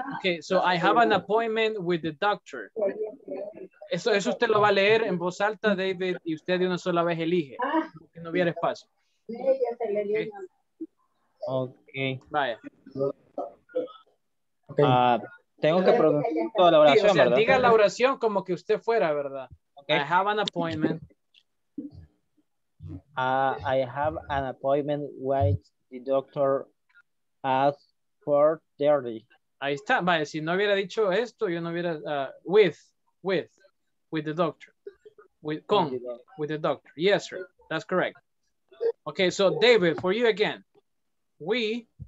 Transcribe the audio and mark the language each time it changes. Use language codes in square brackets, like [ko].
[en] Okay, so I have an appointment with the doctor. [es] Eso usted lo va a leer en voz alta, David, y usted de una sola vez elige. Que no hubiera espacio. [en] Okay. Okay. [es] Vaya. Okay. Tengo que pronunciar toda la oración, sí, o sea, ¿verdad? Diga la oración como que usted fuera, ¿verdad? [en] Okay. I have an appointment. I have an appointment with the doctor at 4:30. [es] Ahí está. Vale, si no hubiera dicho esto, yo no hubiera... [en] With the doctor. With the doctor. Yes, sir. That's correct. Okay, so David, for you again. We